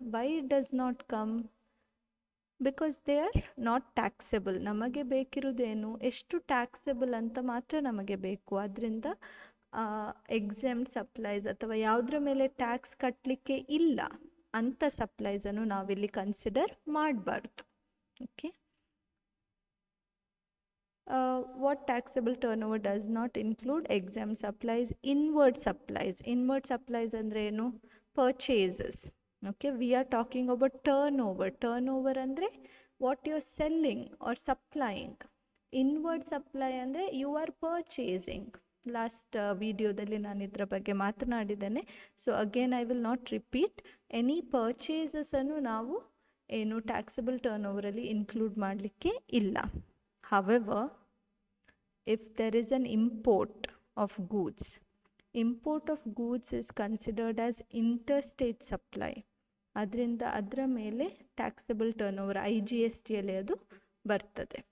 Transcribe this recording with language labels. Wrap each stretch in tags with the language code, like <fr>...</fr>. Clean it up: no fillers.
<en>Why does not come? Because they are not taxable.</en> <kn>ನಮಗೆ ಬೇಕಿರೋದೇನು, ಎಷ್ಟು taxable ಅಂತ ಮಾತ್ರ ನಮಗೆ ಬೇಕು. ಅದರಿಂದ ಎಕ್ಸೆಂಪ್ಟ್ ಸಪ್ಲೈಸ್ ಅಥವಾ ಯಾವುದ್ರ ಮೇಲೆ ಟ್ಯಾಕ್ಸ್ ಕಟ್ಟಲಿಕ್ಕೆ ಇಲ್ಲ ಅಂಥ ಸಪ್ಲೈಸನ್ನು ನಾವಿಲ್ಲಿ ಕನ್ಸಿಡರ್ ಮಾಡಬಾರ್ದು.</kn> <en>Okay, what taxable turnover does not include exempt supplies, inward supplies. Inward supplies</en> <kn>andre eno?</kn> <en>Purchases. Okay, we are talking about turnover. Turnover andre what you are selling or supplying. Inward supply ಅಂದರೆ you are purchasing.</en> <kn>Last ವಿಡಿಯೋದಲ್ಲಿ ನಾನು ಇದರ ಬಗ್ಗೆ ಮಾತನಾಡಿದ್ದೇನೆ.</kn> <en>So again I will not repeat.</en> <kn>Any ಪರ್ಚೇಸಸನ್ನು ನಾವು ಏನು taxable turn ಓವರಲ್ಲಿ include ಮಾಡಲಿಕ್ಕೆ ಇಲ್ಲ.</kn> <en>however, if there is an import of goods, import of goods is considered as interstate supply,</en> <kn>ಅದರಿಂದ ಅದರ ಮೇಲೆ ಟ್ಯಾಕ್ಸಿಬಲ್ ಟರ್ನ್ ಓವರ್ IGSTಯಲ್ಲಿ ಅದು ಬರ್ತದೆ.</kn>